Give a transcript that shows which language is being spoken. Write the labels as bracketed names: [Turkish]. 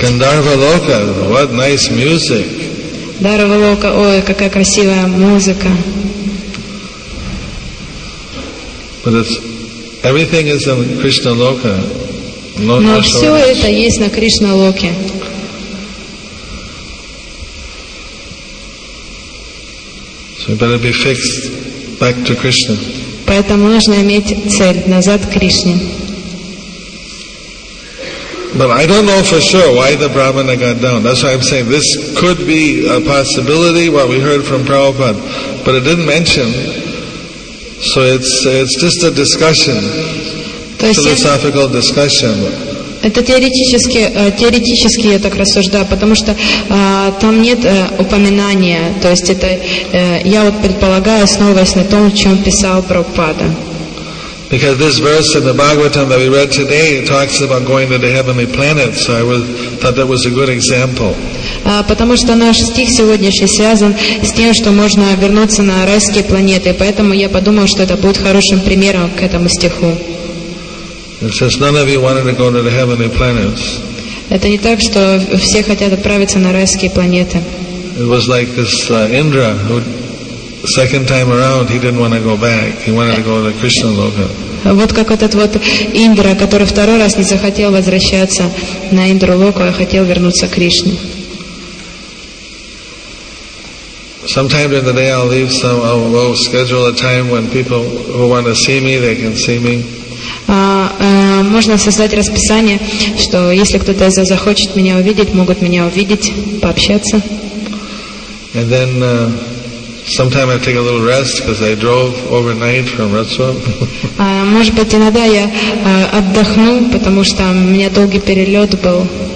[English] Гандарвалока, what nice music. [Russian] Дарвалока, какая красивая музыка. [English] But it's everything is in Krishna Loka. [Russian] Но все это есть на Кришна Локе. [English] So we better be fixed back to Krishna. [Russian] Поэтому нужно иметь цель назад к Кришне. [English] But I don't know for sure why the Brahmana got down. That's why I'm saying this could be a possibility, what we heard from Prabhupada, but it didn't mention. So it's just a discussion, philosophical discussion. [Russian] Это теоретически я так рассуждаю, потому что там нет упоминания. То есть это я вот предполагаю, основываясь на том, о чем писал Прабхупада. [English] Because this verse in the Bhagavatam that we read today talks about going to the heavenly planet, so I thought that was a good example. [Russian] Потому что наш стих сегодняшний связан с тем, что можно вернуться на райские планеты, поэтому я подумал, что это будет хорошим примером к этому стиху. [English] It says none of you wanted to go to the heavenly planets. [Russian] Это не так, что все хотят отправиться на райские планеты. [English] It was like this Indra who second time around he didn't want to go back. He wanted to go to Krishna Loka. [Russian] Вот как этот вот Индра, который второй раз не захотел возвращаться на Индру Локу, а хотел вернуться к Кришне. [English] Sometime during the day I'll leave some. I'll schedule a time when people who want to see me, they can see me. [Russian] Можно создать расписание, что если кто-то захочет меня увидеть, могут меня увидеть, пообщаться. [English] And then sometime I take a little rest because I drove overnight from Ratswap. [Russian] Может быть иногда я отдохну, потому что у меня долгий перелет был.